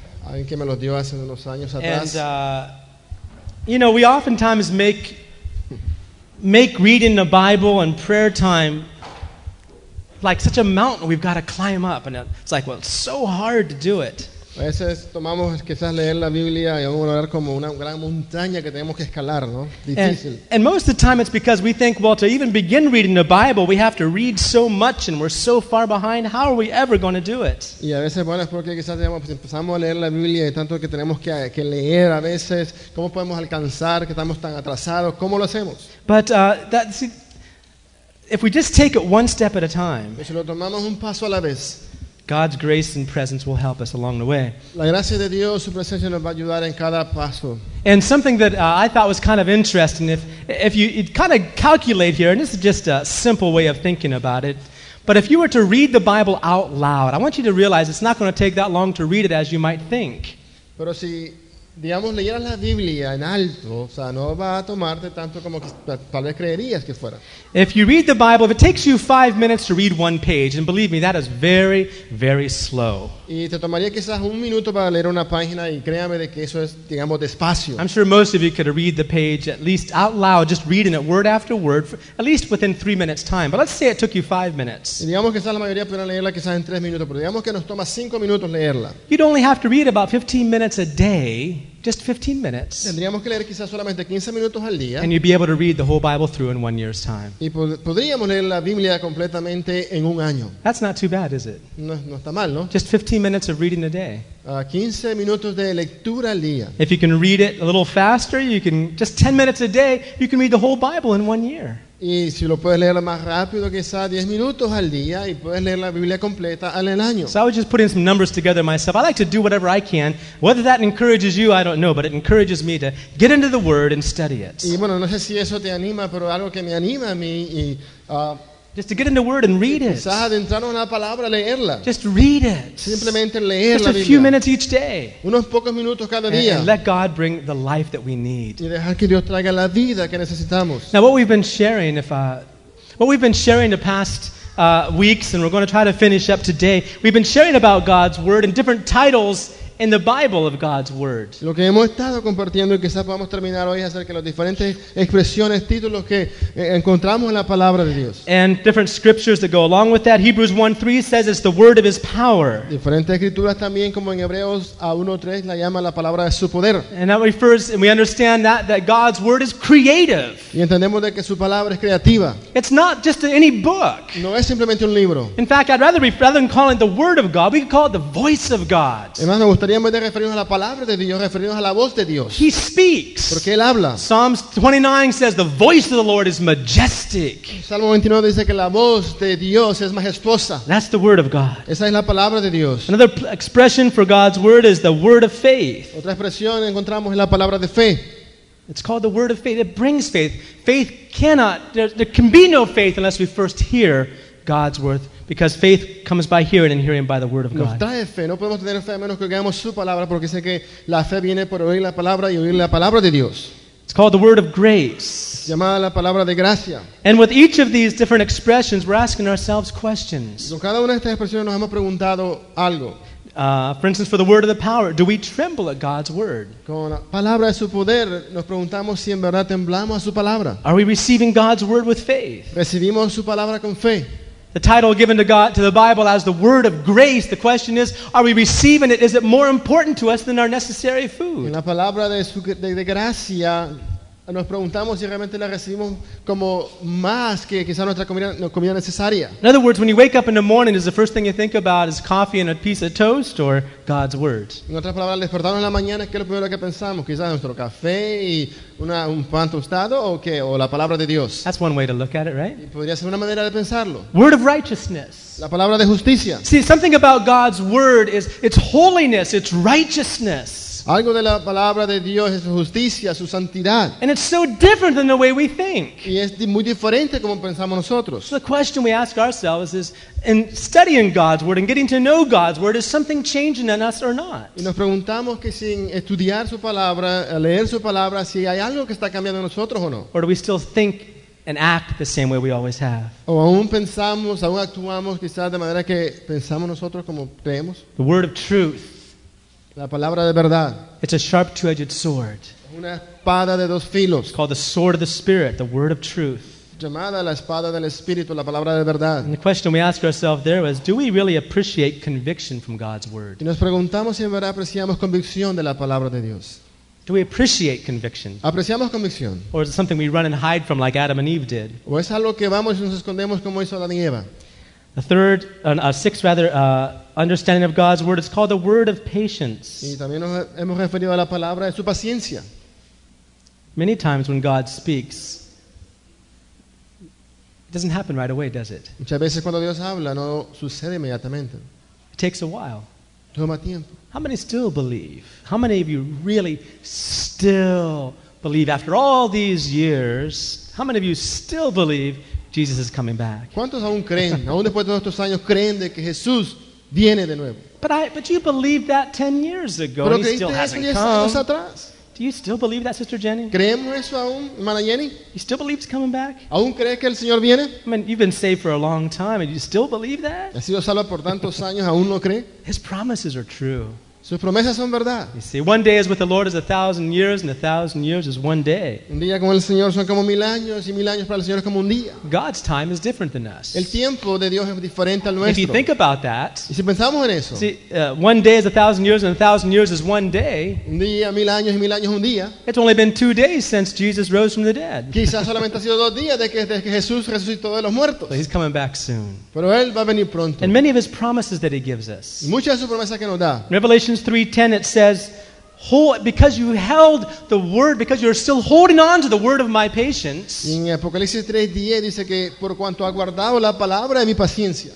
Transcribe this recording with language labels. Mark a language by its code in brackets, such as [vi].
[es] Alguien que me los dio hace unos años atrás. [en] And, you know, we oftentimes make reading the Bible and prayer time like such a mountain we've got to climb up, and it's like, well, it's so hard to do it. [es] A veces tomamos quizás leer la Biblia y vamos a hablar como una gran montaña que tenemos que escalar, ¿no? Difícil. [en] And most of the time it's because we think, well, to even begin reading the Bible, we have to read so much and we're so far behind. How are we ever going to do it? [es] Y a veces, bueno, es porque quizás empezamos a leer la Biblia y tanto que tenemos que leer a veces, ¿cómo podemos alcanzar que estamos tan atrasados? ¿Cómo lo hacemos? [en] But if we just take it one step at a time, [es] si lo tomamos un paso a la vez, [en] God's grace and presence will help us along the way. [es] La gracia de Dios, su presencia nos va a ayudar en cada paso. [en] And something that I thought was kind of interesting, if you kind of calculate here, and this is just a simple way of thinking about it, but if you were to read the Bible out loud, I want you to realize it's not going to take that long to read it as you might think. [es] Pero si, digamos, leyeras la Biblia en alto, o sea, no va a tomarte tanto como que, tal vez creerías que fuera. [en] If you read the Bible, if it takes you 5 minutes to read one page, and believe me, that is very, very slow. [es] Y te tomaría quizás un minuto para leer una página, y créame de que eso es, digamos, despacio. [en] I'm sure most of you could read the page at least out loud, just reading it word after word, for at least within 3 minutes' time. But let's say it took you 5 minutes. [es] Y digamos que quizás la mayoría pudiera leerla quizás en 3 minutos, pero digamos que nos toma 5 minutos leerla. [en] You'd only have to read about 15 minutes a day. Just 15 minutes. [es] Tendríamos que leer quizás solamente 15 minutos al día. [en] And you'd be able to read the whole Bible through in 1 year's time. [es] Y podríamos leer la Biblia completamente en un año. [en] That's not too bad, is it? [es] No está mal, ¿no? [en] Just 15 minutes of reading a day. [es] 15 minutos de lectura al día. [en] If you can read it a little faster, you can just 10 minutes a day, you can read the whole Bible in 1 year. [es] Y si lo puedes leer más rápido, quizás 10 minutos al día, y puedes leer la Biblia completa al año. [en] So I was just putting some numbers together myself. I like to do whatever I can. Whether that encourages you, I don't know, but it encourages me to get into the Word and study it. [es] Y bueno, no sé si eso te anima, pero algo que me anima a mí y... [en] Just to get in the Word and read it. [es] Quizás adentrarnos en la palabra, leerla. [en] Just read it. [es] Simplemente leer la Biblia. [en] Just a few minutes each day. [es] Unos pocos minutos cada día. [en] And let God bring the life that we need. [es] Y dejar que Dios traiga la vida que necesitamos. [en] Now what we've been sharing, the past weeks, and we're going to try to finish up today, we've been sharing about God's Word and different titles in the Bible of God's Word. [es] Lo que hemos estado compartiendo y quizás podamos terminar hoy acerca de las diferentes expresiones, títulos que encontramos en la palabra de Dios. [en] And different scriptures that go along with that. Hebrews 1:3 says it's the word of his power. [es] Diferentes escrituras también, como en Hebreos 1:3 la llama la palabra de su poder. [en] And that refers, and we understand that God's Word is creative. [es] Y entendemos de que su palabra es creativa. [en] It's not just any book. [es] No es simplemente un libro. [en] In fact, I'd rather than call it the word of God, we could call it the voice of God. [es] De referirnos a la palabra de Dios, referirnos a la voz de Dios. [en] He speaks. [es] Porque él habla. [en] Psalms 29 says the voice of the Lord is majestic. [es] Salmo 29 dice que la voz de Dios es majestuosa. [en] That's the word of God. [es] Esa es la palabra de Dios. [en] Another expression for God's word is the word of faith. [es] Otra expresión encontramos en la palabra de fe. [en] It's called the word of faith. It brings faith. Faith cannot, there can be no faith unless we first hear God's word, because faith comes by hearing, and hearing by the word of God. [es] Nos trae fe. No podemos tener fe a menos que oigamos su palabra, porque sé que la fe viene por oír la palabra y oír la palabra de Dios. [en] It's called the word of grace. [es] Llamada la palabra de gracia. [en] And with each of these different expressions, we're asking ourselves questions. [es] Con cada una de estas expresiones nos hemos preguntado algo. [en] For instance, for the word of the power, do we tremble at God's word? [es] Con la palabra de su poder, nos preguntamos si en verdad temblamos a su palabra. [en] Are we receiving God's word with faith? [es] Recibimos su palabra con fe. [en] The title given to God to the Bible as the word of grace, the question is, are we receiving it? Is it more important to us than our necessary food? [es] En la palabra de gracia, Nos preguntamos si realmente la recibimos como más que quizá nuestra comida necesaria. [en] In other words, when you wake up in the morning, is the first thing you think about is coffee and a piece of toast or God's word? [es] En otras palabras, despertarnos en la mañana, ¿qué es lo primero que pensamos? Quizá nuestro café y un pan tostado o qué, o la palabra de Dios. [en] That's one way to look at it, right? [es] Y podría ser una manera de pensarlo. [en] Word of righteousness. [es] La palabra de justicia. [en] See, something about God's word is its holiness, its righteousness. [es] Algo de la palabra de Dios es su justicia, su santidad. [en] And it's so different than the way we think. [es] Y es muy diferente como pensamos nosotros. [en] The question we ask ourselves is, in studying God's word and getting to know God's word, is something changing in us or not? [es] Y nos preguntamos que sin estudiar su palabra, leer su palabra, si hay algo que está cambiando en nosotros o no. [en] Or do we still think and act the same way we always have? [es] O aún pensamos, aún actuamos quizás de manera que pensamos nosotros como creemos. [en] The word of truth. [es] La palabra de verdad. [en] It's a sharp two-edged sword. [es] Una espada de dos filos. [en] It's called the sword of the Spirit, the word of truth. [es] Llamada la espada del Espíritu, la palabra de verdad. [en] And the question we ask ourselves there was, do we really appreciate conviction from God's word? [es] Y nos preguntamos si en verdad apreciamos convicción de la palabra de Dios. [en] Do we appreciate conviction? [es] Apreciamos convicción. [en] Or is it something we run and hide from like Adam and Eve did? [es] O es algo que vamos y nos escondemos como hizo Adán y Eva. [en] The third, sixth rather, understanding of God's word is called the word of patience. [es] Y también nos hemos referido a la palabra de su paciencia. [en] Many times when God speaks, it doesn't happen right away, does it? [es] Muchas veces cuando Dios habla, no sucede inmediatamente. [en] It takes a while. [es] Toma tiempo. [en] How many still believe? How many of you really still believe after all these years? How many of you still believe Jesus is coming back? [es] ¿Cuántos aún creen, aún después de todos estos años, creen de que Jesús viene de nuevo? [en] But you believed that 10 years ago. [es] ¿Pero [en] and he still hasn't come. [es] Atrás? [en] Do you still believe that, Sister Jenny? [es] ¿Creemos eso aún, hermana Jenny? [en] You still believe he's coming back? [es] ¿Aún crees que el Señor viene? [en] I mean, you've been saved for a long time, and you still believe that? [es] ¿Has sido salvo por tantos años, aún lo cree? [en] His promises are true. [es] Sus promesas son verdad. [en] You see, one day is with the Lord is 1,000 years, and 1,000 years is one day. [es] Un día con el Señor son como mil años, y mil años para el Señor es como un día. [en] God's time is different than us. [es] El tiempo de Dios es diferente al nuestro. [en] If you think about that, [es] y si pensamos en eso, [en] see, one day is 1,000 years, and 1,000 years is one day. [es] Un día, mil años, y mil años un día. [en] It's only been 2 days since Jesus rose from the dead. [es] Quizás solamente ha sido 2 días de que Jesús resucitó de los muertos. [en] So he's coming back soon. [es] Pero él va a venir pronto. [en] And many of his promises that he gives us. [es] Y muchas de sus promesas que nos da. [en] Revelation 3:10, it says, because you held the word, because you're still holding on to the word of my patience. [es] En Apocalipsis 3:10 dice que por cuanto ha guardado la palabra de mi paciencia,